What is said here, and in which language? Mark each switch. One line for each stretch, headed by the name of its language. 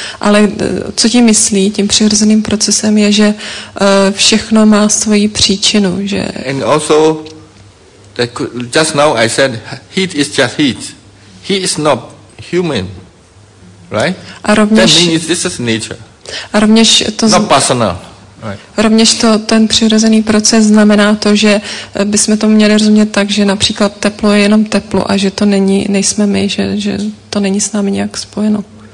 Czech: Ale co tím myslí, tím přirozeným procesem je, že všechno má svoji příčinu. Že...
English: And also, that could, just now I said, heat is just heat. He is not human. Right?
Czech: A rovněž,
English: that means this is nature.
Czech: A rovněž to
English: not personal.
Czech: Rovněž to, ten přirozený proces znamená to, že bychom to měli rozumět tak, že například teplo je jenom teplo a že to není, nejsme my, že to není s námi nějak spojeno.